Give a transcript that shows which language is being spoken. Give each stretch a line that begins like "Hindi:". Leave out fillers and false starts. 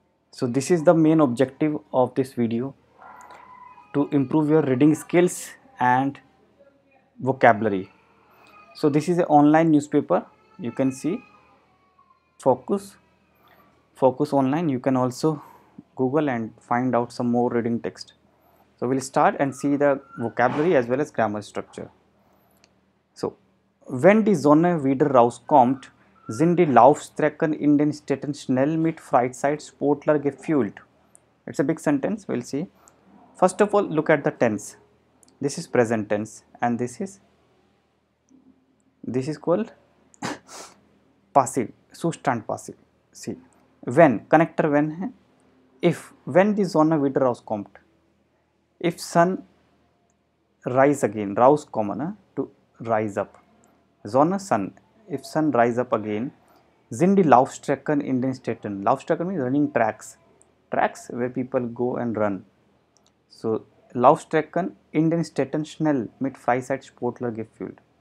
English: So this is the main objective of this video, to improve your reading skills and vocabulary. So this is an online newspaper, you can see, Focus online. You can also Google and find out some more reading text. So we'll start and see the vocabulary as well as grammar structure.
German: So, wenn die Sonne wieder rauskommt, sind die Laufstrecken in den Städten schnell mit Freizeit Sportler gefüllt.
English: It's a big sentence. We'll see. First of all, look at the tense. This is present tense and this is called passive, Zustand passive. See. When connector when hai? If when the
German: sonne wieder rauskommt,
English: if sun rise again, rauskommen to rise up, sonne sun, if sun rise up again,
German: sind die Laufstrecken in den Städten.
English: Laufstrecken means running tracks where people go and run.
German: So Laufstrecken in den Städten schnell mit Freizeit Sportler gefüllt.